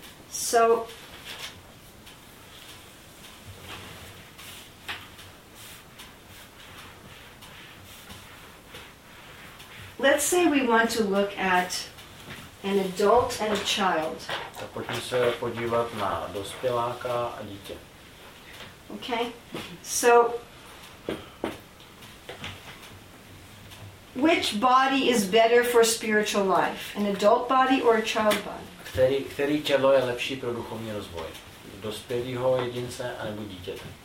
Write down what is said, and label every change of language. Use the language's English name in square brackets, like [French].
[English] So let's say we want to look at an adult and a child. [Czech] Tak pojďme se podívat na dospěláka a dítě. [English] Okay. So which body is better for spiritual life? An adult body or a child body? [Czech] Který tělo je lepší pro duchovní rozvoj? Dospělýho jedince anebo dítěte?